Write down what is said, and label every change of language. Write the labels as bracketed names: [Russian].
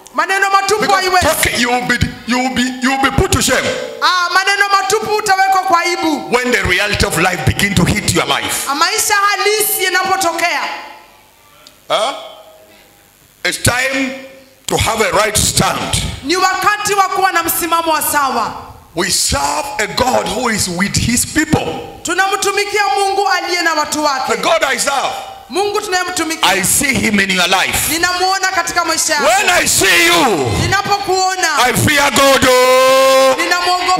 [Swahili] Maneno matupu haiwezi. [English] Okay, you will be put to shame. [Swahili] Maneno matupu utawekwa kwa aibu. [English] When the reality of life begin to hit your life. [Swahili] Maisha halisi yanapotokea. [English] It's time to have a right stand. [Swahili] Ni wakati wa kuwa na msimamo sawa. [English] We serve a God who is with his people. [Swahili] Tunamtumikia Mungu aliye na watu wake. [English] The God I serve. [Swahili] Mungu tunayemtumikia. [English] I see him in your life. [Swahili] Ninamuona katika maisha yako. [English] When I see you. [Swahili] Ninapokuona. [English] I fear God. [Swahili] Ninamuogopa.